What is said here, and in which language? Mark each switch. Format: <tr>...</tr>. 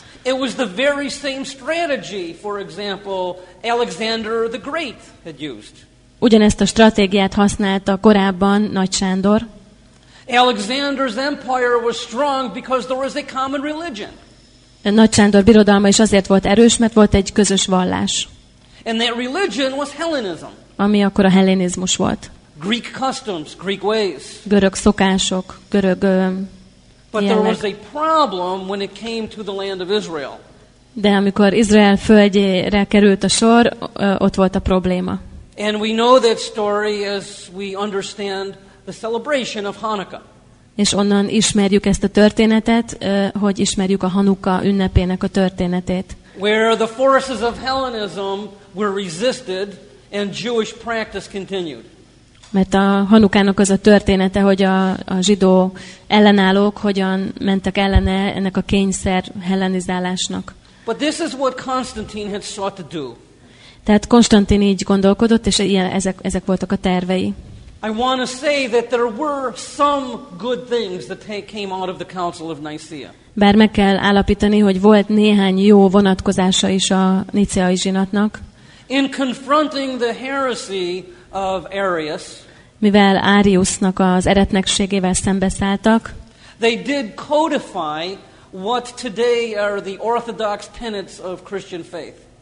<en>It was the very same strategy, for example, Alexander the Great had used.</en> <hu>Ugyanezt a stratégiát használta korábban Nagy Sándor.</hu> <en>Alexander's empire was strong because there was a common religion.</en> <hu>Nagy Sándor birodalma is azért volt erős, mert volt egy közös vallás.</hu> <en>And that religion was Hellenism.</en> <hu>Ami akkor a hellenizmus volt.</hu> <en>Greek customs, Greek ways.</en> <hu>Görög szokások, görög</hu> <en>But there was a problem when it came to the land of Israel.</en> <hu>De amikor Izrael földjére került a sor, ott volt a probléma.</hu> <en>And we know that story as we understand the celebration of Hanukkah.</en> <hu>És onnan ismerjük ezt a történetet, hogy ismerjük a Hanukka ünnepének a történetét.</hu> <en>Where the forces of Hellenism were resisted and Jewish practice continued.</en> <hu>Mert a Hanukának az a története, hogy a zsidó ellenállók hogyan mentek ellene ennek a kényszer hellenizálásnak.</hu> <en>But this is what Constantine had sought to do.</en> <hu>Tehát Konstantin így gondolkodott, és ilyen, ezek voltak a tervei.</hu> <en>I want to say that there were some good things that came out of the Council of Nicaea.</en> <hu>Bár meg kell állapítani, hogy volt néhány jó vonatkozása is a niceai zsinatnak.</hu> <en>In confronting the heresy of Arius.</en> <hu>Mivel Ariusnak az eretnekségével szembeszálltak.</hu> <en>They did codify what today are the orthodox tenets of Christian faith.</en>